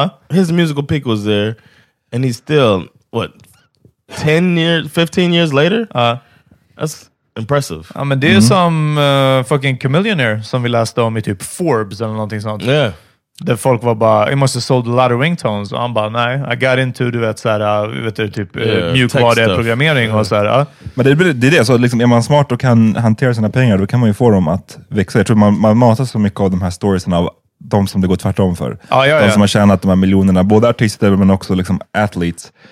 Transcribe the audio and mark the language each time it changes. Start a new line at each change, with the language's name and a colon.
English: His musical peak was there, and he's still what 15 years later. That's impressive.
Swedish: Ja, men det är som fucking Chameleonaire som vi läste om i typ Forbes eller någonting sånt.
English: Yeah.
Swedish: Där folk var bara,
English: he must have sold a lot of ringtones.
Swedish: Och han bara, nej,
English: I got into,
Swedish: du vet, så här, typ mjukvaruprogrammering och så här. Men det är det, så liksom, är man smart och kan hantera sina pengar, då kan man ju få dem att växa. Jag tror man matar så mycket av de här storiesen av de som det går tvärtom för. De som har tjänat de här miljonerna, både artister men också liksom athletes.